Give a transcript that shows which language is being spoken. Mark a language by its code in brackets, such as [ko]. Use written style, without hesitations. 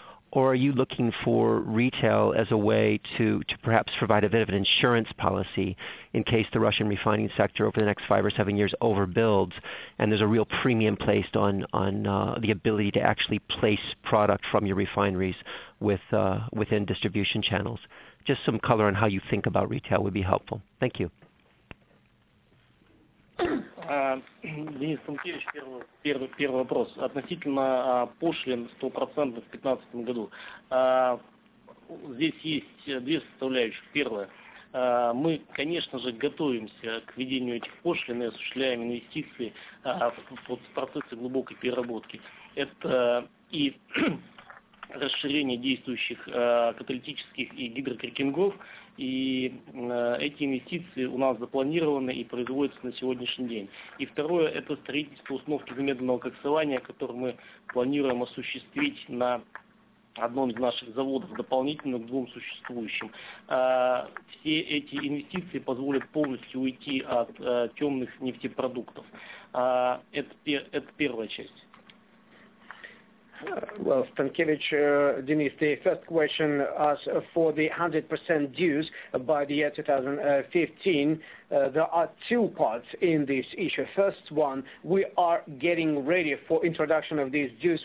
[en] Or are you looking for retail as a way to perhaps provide a bit of an insurance policy in case the Russian refining sector over the next 5 or 7 years overbuilds and there's a real premium placed on the ability to actually place product from your refineries within distribution channels? Just some color on how you think about retail would be helpful. Thank you. [ru] Денис Станкевич, первый вопрос. Относительно пошлин 100% в 2015 году. Здесь есть две составляющие. Первое. Мы, конечно же, готовимся к введению этих пошлин и осуществляем инвестиции в процессы глубокой переработки. Это и расширение действующих каталитических и гидрокрекингов. И эти инвестиции у нас запланированы и производятся на сегодняшний день. И второе – это строительство установки замедленного коксования, которое мы планируем осуществить на одном из наших заводов, дополнительно к двум существующим. Все эти инвестиции позволят полностью уйти от темных нефтепродуктов. Это первая часть. [en] Well, Stankevich, Denise, the first question as for the 100% dues by the year 2015, there are two parts in this issue. First one, we are getting ready for introduction of these dues.